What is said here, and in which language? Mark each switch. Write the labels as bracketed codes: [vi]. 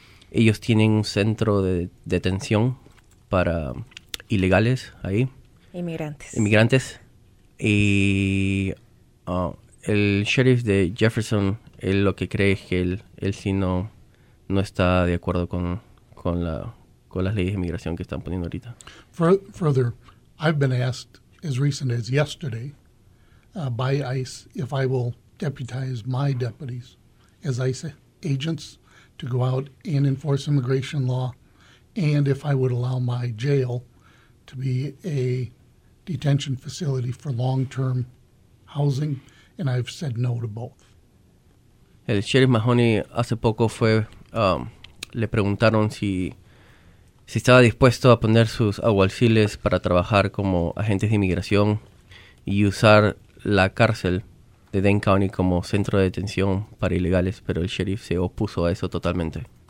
[es] Ellos tienen un centro de detención para ilegales ahí. Inmigrantes. Y el sheriff de Jefferson, él lo que cree es que él sí no está de acuerdo con las leyes de inmigración que están poniendo ahorita. [en] Further, I've been asked as recent as yesterday by ICE if I will deputize my deputies as ICE agents to go out and enforce immigration law, and if I would allow my jail to be a detention facility for long-term housing, and I've said no to both. [es] El sheriff Mahoney hace poco fue, le preguntaron si estaba dispuesto a poner sus alguaciles para trabajar como agentes de inmigración y usar la cárcel de Dane County como centro de detención para ilegales, pero el sheriff se opuso a eso totalmente.